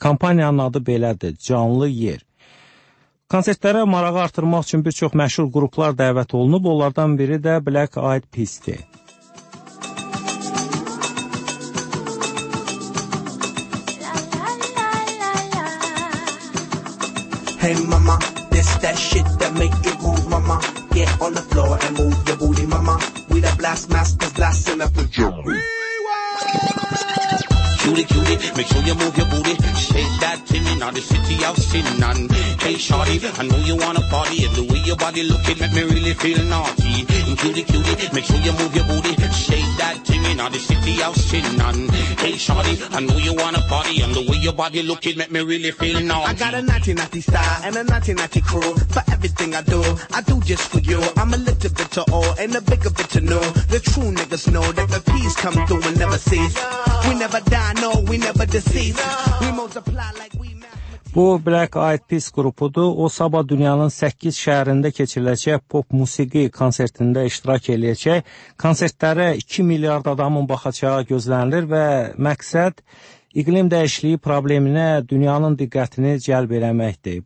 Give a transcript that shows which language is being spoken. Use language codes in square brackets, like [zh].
[az] Kampaniyanın adı belədir, Canlı Yer. Konsertlərə marağı artırmaq üçün bir çox məşhur qruplar dəvət olunub, onlardan biri də Black Eyed Peas-dir. [en] Hey mama, this that shit that make you move mama. Get on the floor and move your booty mama. We the blast masters blasting up the jam. Cutie, cutie, make sure you move your booty. Shake that thing in out the city of Sinan. Hey shawty, I know you wanna party, and the way your body looking make me really feel naughty. And cutie cutie, make sure you move your booty, shake that thing in out the city of Sinan. Hey shawty, I know you wanna party, and the way your body looking make me really feel naughty. I got a naughty naughty style and a naughty naughty crew. For everything I do just for you. I'm a little bit to old and a bigger bit to new. The true niggas know that the peace come through and never cease. We never die, no, we never deceive. We multiply like we. [az] Bu Black Eyed Peas qrupudur. O sabah dünyanın 8 şəhərində keçiriləcək pop musiqi konsertində iştirak eləyəcək. Konsertlərə 2 milyard adamın baxacağı gözlənilir və məqsəd iqlim dəyişikliyi probleminə dünyanın diqqətini cəlb eləməkdir.